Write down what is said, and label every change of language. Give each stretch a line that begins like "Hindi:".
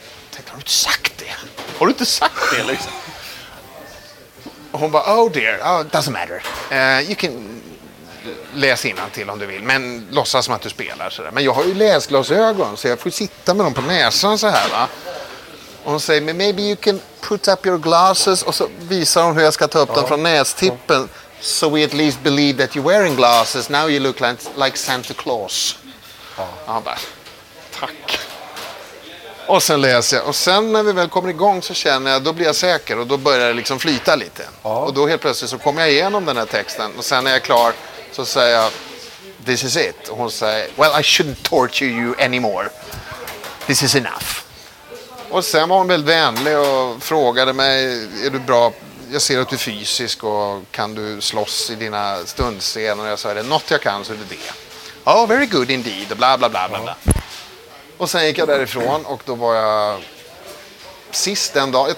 Swedish: Jag tänkte, har du inte sagt det? Och hon bara,
English: oh dear, oh, doesn't matter. You can...
Swedish: Läs innantill om du vill, men låtsas som att du spelar sådär. Men jag har ju läsglasögon så jag får sitta med dem på näsan så här, va. Och hon säger,
English: maybe you can put up your glasses,
Swedish: och så visar hon hur jag ska ta upp dem från nästippen.
English: So we at least believe that you're wearing glasses. Now you look like Santa Claus.
Swedish: Ja. Bara, tack. Och sen läser jag. Och sen när vi väl kommer igång så känner jag, då blir jag säker och då börjar det liksom flyta lite. Ja. Och då helt plötsligt så kommer jag igenom den här texten och sen är jag klar. Så säger jag,
English: this is it.
Swedish: Och hon säger,
English: well, I shouldn't torture you anymore. This is enough.
Swedish: Och sen var hon väldigt vänlig och frågade mig, är du bra? Jag ser att du är fysisk och kan du slåss i dina stundscener? Och jag sa, är det något jag kan så är det det.
English: Oh, very good indeed.
Swedish: Och bla bla bla bla. Och sen gick jag därifrån och då var jag sist den dag.